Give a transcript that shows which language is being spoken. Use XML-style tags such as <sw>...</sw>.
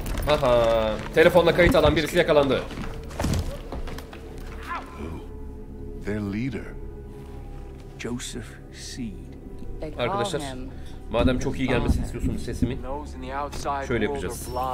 <tr>Aha, telefonla kayıt alan birisi yakalandı.</tr> <en>Their leader, Joseph Seed.</en> <tr>Arkadaşlar, madem çok iyi gelmesini istiyorsunuz sesimi, şöyle yapacağız.</tr>